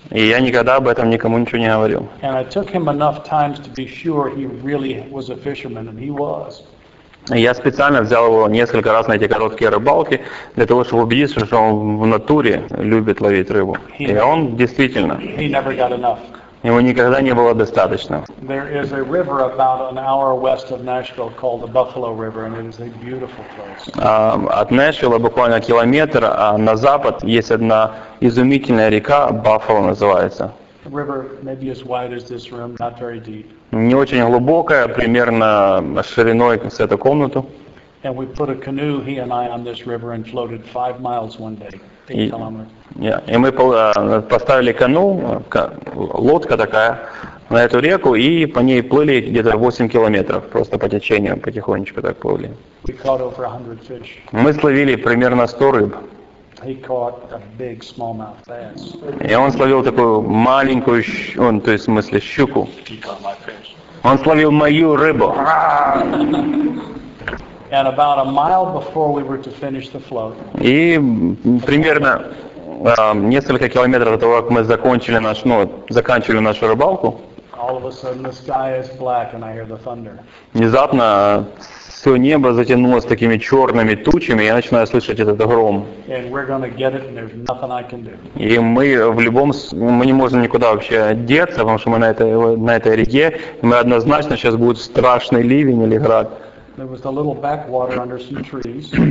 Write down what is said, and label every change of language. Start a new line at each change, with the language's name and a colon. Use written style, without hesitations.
Russian: И я никогда об этом никому ничего не говорил.
English: And I took him enough times to be sure he really was a fisherman, and he was.
Russian: Я специально взял его несколько раз на эти короткие рыбалки, для того, чтобы убедиться, что он в натуре любит ловить рыбу. И он действительно.
English: He never got enough.
Russian: Ему никогда не было достаточно.
English: There is a river about an hour west of Nashville called the Buffalo River, and it is a beautiful place.
Russian: От Нэшвилла буквально километр на запад есть одна изумительная река, Баффало называется.
English: The river maybe as wide as this room, not very deep.
Russian: Не очень глубокая, примерно шириной с эту комнату.
English: And we put a canoe, he and I, on this river and floated 5 miles one day, 8 kilometers.
Russian: И мы поставили кану, лодка такая, на эту реку, и по ней плыли где-то 8 километров, просто по течению, потихонечку так плыли.
English: We caught over 100 fish.
Russian: Мы словили примерно 100 рыб.
English: He caught a big smallmouth bass.
Russian: И он словил такую маленькую, то есть в смысле щуку. Он словил мою рыбу.
English: And about a mile before we were to finish the float.
Russian: И примерно несколько километров до того, как мы заканчивали нашу рыбалку.
English: All of a sudden, the sky is black, and I hear the thunder.
Russian: Внезапно все небо затянулось такими черными тучами, и я начинаю слышать этот гром.
English: And we're gonna get it, and there's nothing I can do.
Russian: И мы не можем никуда вообще деться, потому что мы на этой реке, и мы однозначно сейчас будет страшный ливень или град.
English: There was a little backwater under some trees.